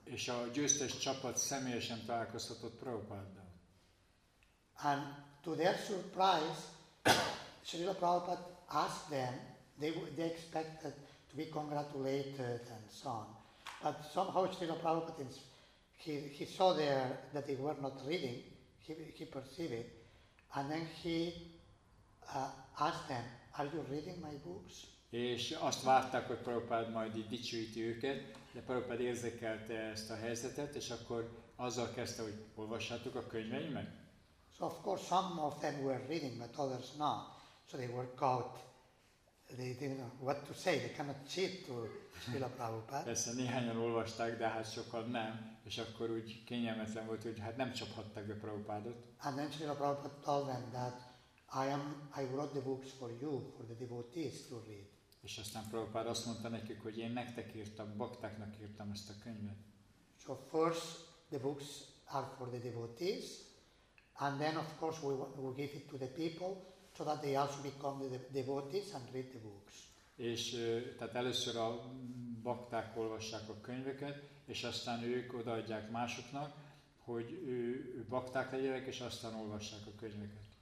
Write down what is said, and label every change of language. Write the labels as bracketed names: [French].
[Hungarian] És a győztes csapat személyesen találkozhatott Prabhupáddal. [English] And to their surprise, Srila Prabhupada asked them, they expected to be congratulated and so on. But somehow Srila Prabhupada, he saw there that they were not reading, he perceived it, and then he asked them, are you reading my books? [Hungarian] És azt várták, hogy Prabhupada majd így dicsőíti őket, de Prabhupada érzékelte ezt a helyzetet, és akkor azzal kezdte, hogy olvassátok a könyveimet? [English] So of course some of them were reading, but others not. So they were caught. They didn't know what to say. They cannot cheat to Srila Prabhupada. [Hungarian] Persze néhányan olvasták, de hát sokan nem. És akkor úgy kényelmetlen volt, hogy hát nem csaphattak be Prabhupádot. [English] And then Srila Prabhupada told them that I wrote the books for you, for the devotees to read. [Hungarian] És aztán Prabhupada azt mondta nekik, hogy én nektek írtam, baktáknak írtam ezt a könyvet. [English] So first the books are for the devotees. And then, of course, we give it to the people so that they also become the devotees and read the books. [Hungarian] És tehát először a bakták olvassák a könyveket, és aztán ők odaadják másoknak, hogy ők bakták legyenek, és aztán olvassák a könyveket.